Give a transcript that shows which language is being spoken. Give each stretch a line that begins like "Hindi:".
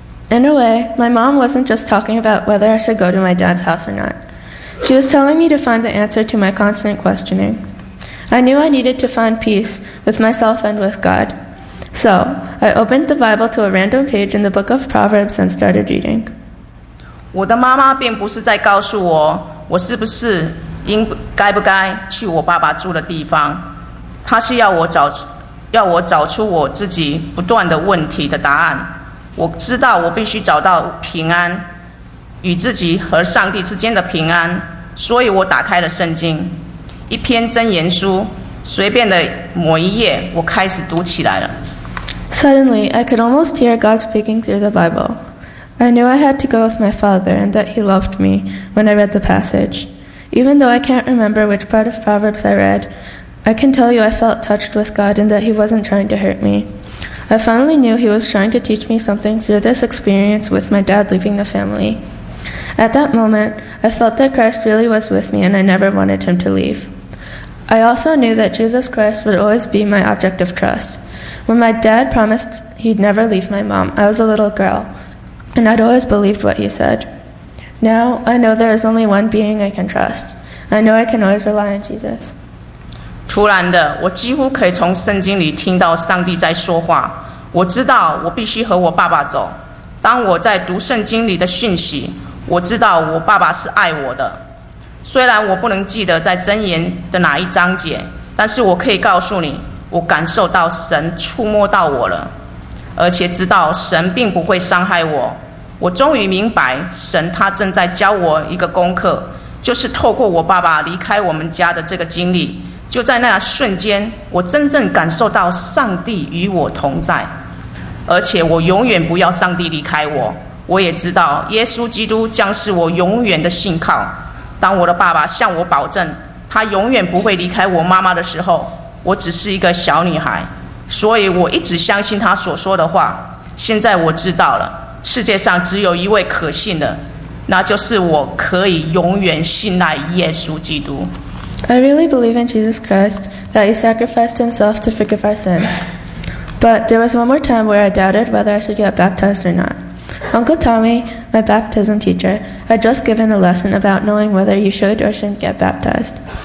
English: In a way, my mom wasn't just talking about whether I should go to my dad's house or not. She was telling me to find the answer to my constant questioning. I knew I needed to find peace with myself and with God. So, I opened the Bible to a random page in the book of Proverbs and started reading.
Chinese: 我的妈妈并不是在告诉我，我是不是应该不该去我爸爸住的地方，他是要我找出我自己不断的问题的答案。我知道我必须找到平安，与自己和上帝之间的平安，所以我打开了圣经，一篇箴言书，随便的某一页，我开始读起来了。
English: Suddenly, I could almost hear God speaking through the Bible. I knew I had to go with my father and that he loved me when I read the passage. Even though I can't remember which part of Proverbs I read, I can tell you I felt touched with God and that He wasn't trying to hurt me. I finally knew He was trying to teach me something through this experience with my dad leaving the family. At that moment, I felt that Christ really was with me and I never wanted Him to leave. I also knew that Jesus Christ would always be my object of trust. When my dad promised he'd never leave my mom, I was a little girl, and I'd always believed what he said. Now, I know there is only one being I can trust. I know I can always rely on Jesus.
Chinese: 突然的，我几乎可以从圣经里听到上帝在说话。我知道我必须和我爸爸走。当我在读圣经里的讯息，我知道我爸爸是爱我的。虽然我不能记得在箴言的哪一章节，但是我可以告诉你，我感受到神触摸到我了，而且知道神并不会伤害我。我终于明白神他正在教我一个功课，就是透过我爸爸离开我们家的这个经历，就在那瞬间，我真正感受到上帝与我同在，而且我永远不要上帝离开我。我也知道耶稣基督将是我永远的信靠。当我的爸爸向我保证他永远不会离开我妈妈的时候，我只是一个小女孩，所以我一直相信他所说的话。现在我知道了，世界上只有一位可信的，那就是我可以永远信赖耶稣基督。
English: I really believe in Jesus Christ, that he sacrificed himself to forgive our sins. But there was one more time where I doubted whether I should get baptized or not. Uncle Tommy, my baptism teacher, had just given a lesson about knowing whether you should or shouldn't get baptized.